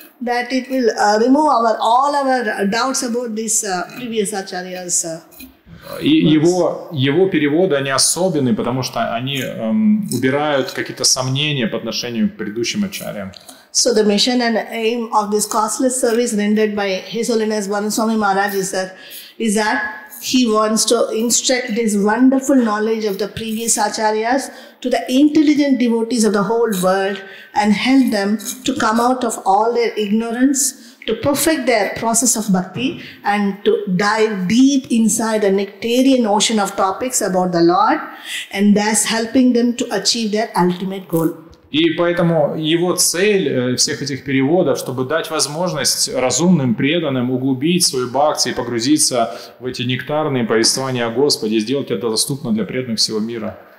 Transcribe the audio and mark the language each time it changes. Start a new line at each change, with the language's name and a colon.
English: That it will remove all our doubts about this previous acharya's.
Russian: Его переводы они особенные, потому что они убирают какие-то сомнения по отношению к предыдущим ачарьям.
English: So the mission and aim of this costless service rendered by His Holiness Varanaswami Maharaj is that he wants to instruct this wonderful knowledge of the previous acharyas to the intelligent devotees of the whole world and help them to come out of all their ignorance, to perfect their process of bhakti and to dive deep inside the nectarian ocean of topics about the Lord and thus helping them to achieve their ultimate goal.
Russian: И поэтому его цель всех этих переводов, чтобы дать возможность разумным преданным углубить свою бхакти и погрузиться в эти нектарные повествования о Господе, сделать это доступно для преданных всего мира.